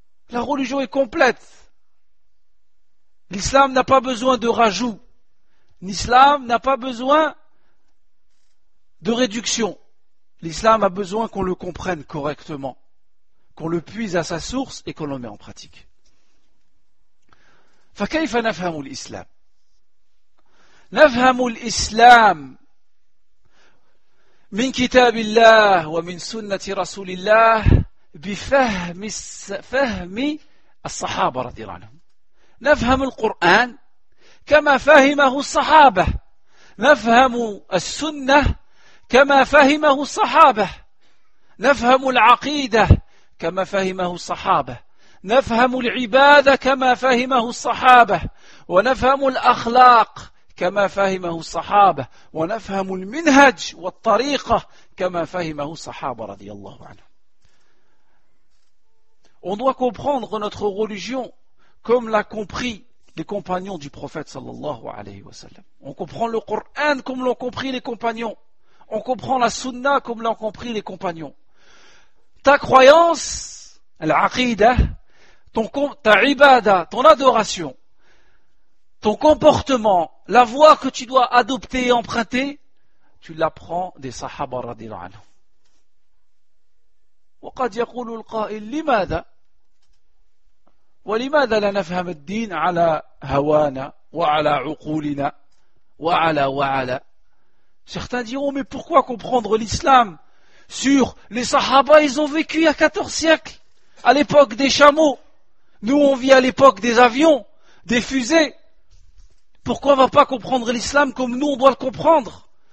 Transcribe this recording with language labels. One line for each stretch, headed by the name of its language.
French: La religion est complète. L'islam n'a pas besoin de rajout. L'islam n'a pas besoin de réduction. L'islam a besoin qu'on le comprenne correctement, qu'on le puise à sa source et qu'on le met en pratique.
Arabic: فكيف نفهم الإسلام؟ نفهم الإسلام من كتاب الله ومن سنة رسول الله بفهم فهم الصحابة رضي الله عنهم. نفهم القرآن كما فهمه الصحابة، نفهم السنة كما فهمه الصحابة، نفهم العقيدة كما فهمه الصحابة، نفهم العبادة كما فهمه الصحابة، ونفهم الأخلاق كما فهمه الصحابة، ونفهم المنهج والطريقة كما فهمه الصحابة رضي الله عنهم.
French: On doit comprendre notre religion comme l'a compris les compagnons du prophète sallallahu alayhi wa sallam. On comprend le Coran comme l'ont compris les compagnons. On comprend la sunna comme l'ont compris les compagnons. Ta croyance, l'aqidah, ta ibadah, ton adoration, ton comportement, la voie que tu dois adopter et emprunter, tu l'apprends des sahaba radhiyallahu anhum.
Arabic: وقد يقول القائل لماذا ولماذا لا نفهم الدين على هوانا وعلى عقولنا وعلى وعلى.
French: Certains diront, mais pourquoi comprendre l'islam sur les sahaba, ils ont vécu il y a 14 siècles à l'époque des chameaux, nous on vit à l'époque des avions, des fusées, pourquoi on va pas comprendre l'islam comme nous on doit le comprendre?